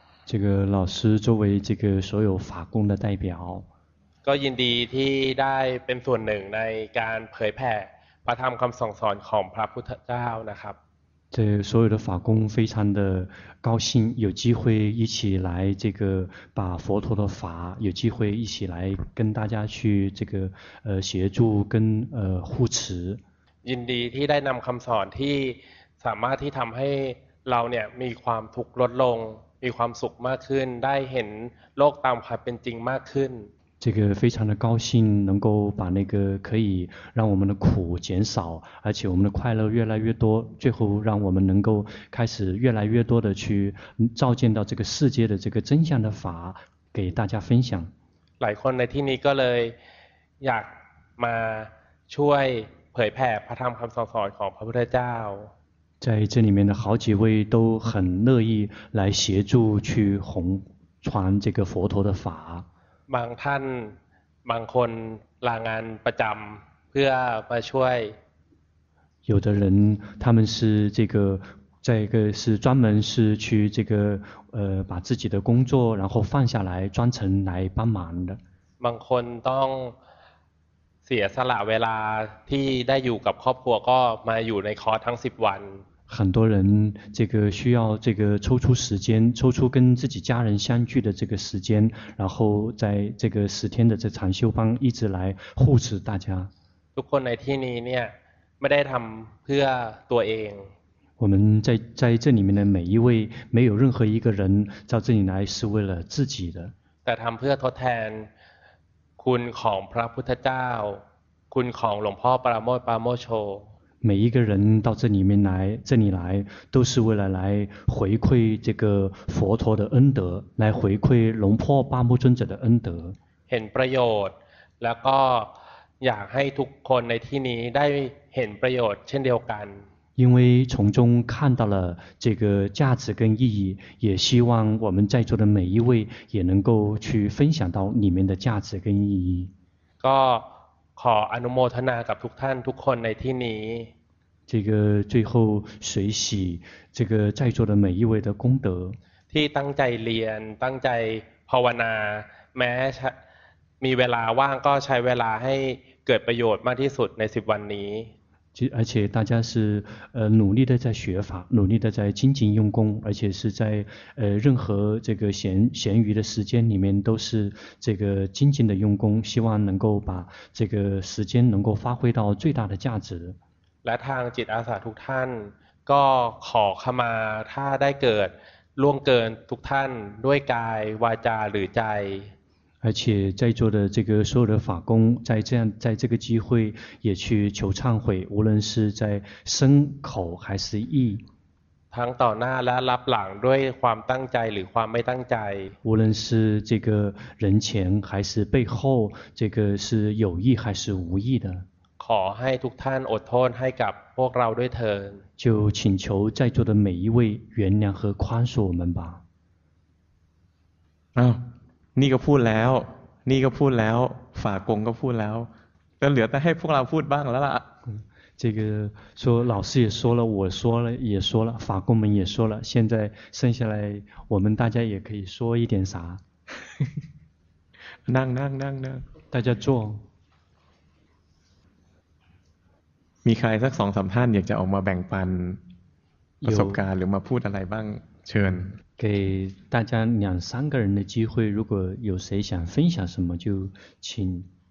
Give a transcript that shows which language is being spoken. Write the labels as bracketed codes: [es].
[zh] 这个老师作为这个所有法工的代表 [th] ก็ยินดีที่ได้เป็นส่วนหนึ่งในการเผยแผ่พระธรรมคำสั่งสอนของพระพุทธเจ้านะครับ [zh] 这所有的法工非常的高兴有机会一起来这个把佛陀的法有机会一起来跟大家去这个协助跟护持 [th] ยินดีที่ได้นำคำสอนที่สามารถที่ทำให้เราเนี่ยมีความทุกข์ลดลงมีความสุขมากขึ้นได้เห็นโลกตามความเป็นจริงมากขึ้น [zh] 这个非常的高兴能够把那个可以让我们的苦减少而且我们的快乐越来越多最后让我们能够开始越来越多的去照见到这个世界的这个真相的法给大家分享 [th] หลายคนในที่นี้ก็เลยอยากมาช่วยเผยแผ่พระธรรมคำสอนของพระพุทธเจ้า [zh] 在这里面的好几位都很乐意来协助去弘传这个佛陀的法 [th] บางท่านบางคนลางานประจำเพื่อมาช่วย [zh] 有的人他们是这个在一个是专门是去这个把自己的工作然后放下来专程来帮忙的 [th] บางคนต้องเสียสละเวลาที่ได้อยู่กับครอบครัวก็มาอยู่ในคอร์สทั้ง10วัน [zh] 很多人这个需要这个抽出时间抽出跟自己家人相聚的这个时间然后在这个十天的这禅修班一直来护持大家 [th] ทุกคนในที่นี้เนี่ยไม่ได้ทำเพื่อตัวเอง [zh] 我们在这里面的每一位没有任何一个人到这里来是为了自己的 [th] แต่ทำเพื่อทดแทนคุณของพระพุทธเจ้าคุณของหลวงพ่อปราโมชปราโมชโช [zh] 每一个人到这里面来这里来都是为了来回馈这个佛陀的恩德来回馈龙破八木尊者的恩德 [th] เห็นประโยชน์แล้วก็อยากให้ทุกคนในที่นี้ได้เห็นประโยชน์เช่นเดียวกัน [zh] 因为从中看到了这个价值跟意义也希望我们在座的每一位也能够去分享到里面的价值跟意义 [th] ก็ขออนุโมทนากับทุกท่านทุกคนในที่นี้ [zh] 这个最后随喜这个在座的每一位的功德 [th] ที่ตั้งใจเรียนตั้งใจภาวนาแม้มีเวลาว่างก็ใช้เวลาให้เกิดประโยชน์มากที่สุดในสิบวันนี้ [zh] 而且大家是努力的在学法，努力的在精进用功，而且是在任何这个闲余的时间里面都是这个精进的用功，希望能够把这个时间能够发挥到最大的价值。 [th] และทางจิตอาสาทุกท่านก็ขอขมาถ้าได้เกิดล่วงเกินทุกท่านด้วยกายวาจาหรือใจ [zh] 而且在座的这个所有的法工，在这样在这个机会也去求忏悔，无论是在身口还是意。 [th] ทั้งต่อหน้าและรับหลังด้วยความตั้งใจหรือความไม่ตั้งใจ。 [zh] 无论是这个人前还是背后，这个是有意还是无意的。 [th] ขอให้ทุกท่านอดทนให้กับพวกเราด้วยเถิด。 [zh] 就请求在座的每一位原谅和宽恕我们吧。 [th] นี่ก็พูดแล้วนี่ก็พูดแล้วฝากงก็พูดแล้วแต่เหลือแต่ให้พวกเราพูดบ้างแล้วล่ะ [zh] 这个说老师也说了我说了也说了法工们也说了现在剩下来我们大家也可以说一点啥 [th] นั่งนั่งนั่งนั่ง [zh] 大家坐 [th] มีใครสักสองสามท่านอยากจะออกมาแบ่งปันประสบการณ์หรือมาพูดอะไรบ้างเชิญ [zh] 给大家两三个人的机会，如果有谁想分享什么，就请。